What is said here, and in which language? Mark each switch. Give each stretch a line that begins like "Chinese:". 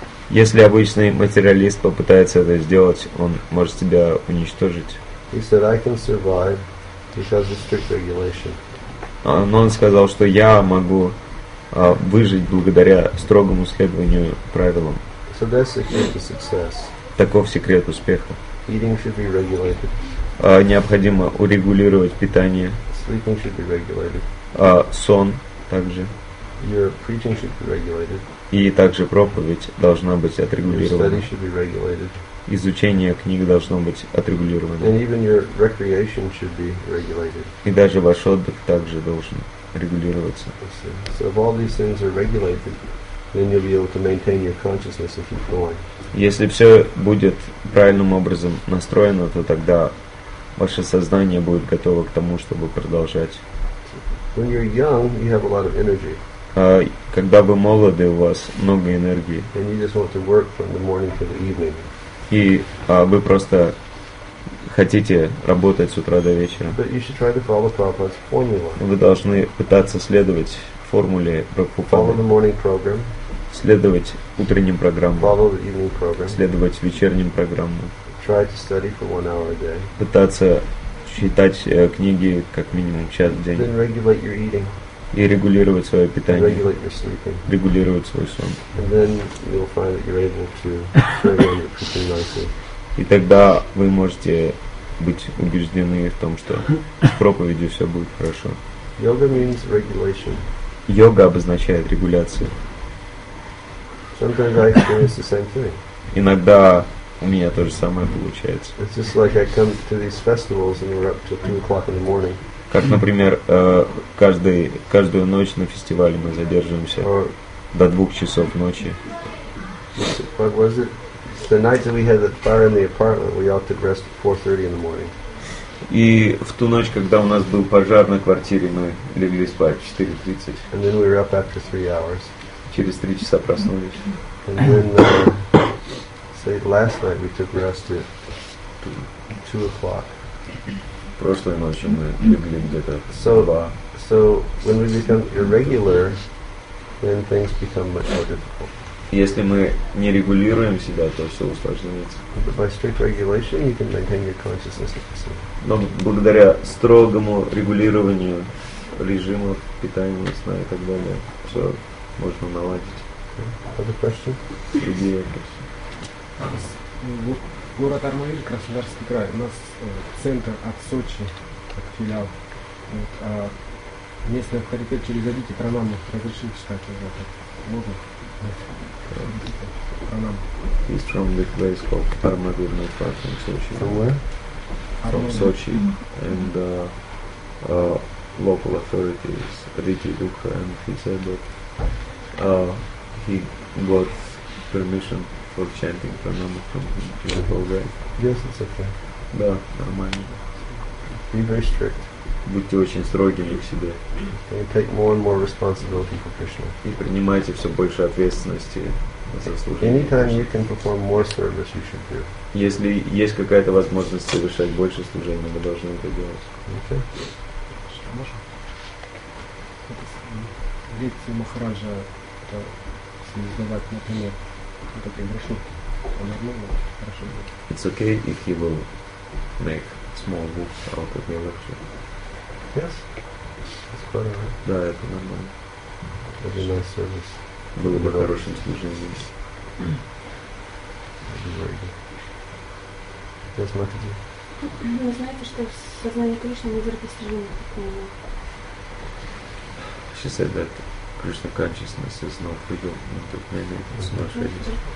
Russian: Если обычный материалист попытается это сделать, он может себя уничтожить.
English: He said, I can survive because of strict regulation.
Russian: Но он сказал, что я могу выжить благодаря строгому следованию правилам.
English: So that's the key to success.
Russian: Таков секрет успеха.
English: Eating should be regulated.
Russian: Необходимо урегулировать питание.
English: Sleeping should be regulated.
Russian: Сон также.
English: Your preaching should be regulated.
Russian: И также проповедь должна быть отрегулирована.
English: Your study should be regulated.
Russian: Изучение книг должно быть отрегулировано.
English: And even your recreation should be regulated.
Russian: И даже ваш отдых также должен регулироваться.
English: So if all these things are regulated, then you'll be able to maintain your consciousness and keep going.
Russian: Если все будет правильным образом настроено, то тогда ваше сознание будет готово к тому, чтобы продолжать.
English: When you're young, you have a lot of energy.
Russian: Когда вы молоды, у вас много энергии.
English: And you just want to work from the morning to the evening.
Russian: И вы просто хотите работать с утра до вечера.
English: But you should try to follow Prabhupada's formula.
Russian: Вы должны пытаться следовать формуле Прабхупады.
English: Follow the morning program.
Russian: Следовать утренним программам.
English: Follow the evening program.
Russian: Следовать вечерним программам.
English: Try to study for 1 hour a day.
Russian: Пытаться читать книги как минимум час в день.
English: Then regulate your eating.
Russian: И регулировать свое питание.
English: Regulate your sleeping.
Russian: Регулировать свой сон.
English: And then you'll find that you're able to carry on your preaching nicely.
Russian: И тогда вы можете быть убеждены в том, что с проповедью все будет хорошо.
English: Yoga means regulation.
Russian: Йога обозначает регуляцию.
English: Sometimes I experience the same thing.
Russian: Иногда у меня то же самое получается.
English: It's just like I come to these festivals and we're up till 2 o'clock in the morning.
Russian: Как, например, каждую ночь на фестивале мы задерживаемся до 2 часов ночи.
English: What was it? The night that we had the fire in the apartment, we all took rest at 4:30 in the morning.
Russian: И в ту ночь, когда у нас был пожар на квартире, мы легли спать в 4:30.
English: And then we were up after 3 hours.
Russian: Через 3 часа проснулись.
English: And then, say last night we took rest at 2 o'clock.
Russian: Прошлой ночью мы легли где-то в 2.
English: So when we become irregular, then things become much more difficult.
Russian: Если мы не регулируем себя, то все усложняется.
English: But by strict regulation, you can maintain your consciousness at the same.
Russian: Но благодаря строгому регулированию режимов питания, сна и так далее, все можно наладить.
English: Other question?
Russian: Другие вопросы. Город Армавир, Краснодарский край. У нас центр от Сочи, как филиал. Вот, а местный авторитет через Адити Пранаму разрешил читать его. Можно?
English: He's from the place called Armavir, not far from Sochi. From where? From Sochi. And local authorities, Riti Dukha, and he said that he got permission for chanting Pranama from him. Is it all right? Yes, it's okay.
Russian: Да, нормально.
English: Be very strict.
Russian: Будьте очень строгими к себе.
English: And take more and more responsibility for Krishna.
Russian: И принимайте все больше ответственности.
English: Anytime you can perform more service, you should do.
Russian: Если есть какая-то возможность совершать больше служений, мы должны это делать.
English: Okay.
Russian: Что можно? Это лекция Махараджа, это создавать, например, вот этой брошюрки. Он одно хорошо будет.
English: It's okay if he will make small books out of your lecture. Yes. That's quite all right.
Russian: Да, это нормально.
English: That'd be nice service.
Russian: Было бы хорошим служением. Вы знаете, что в сознании Кришны нельзя постижение к нему?
English: She said that Krishna consciousness is not revealed to many smashes.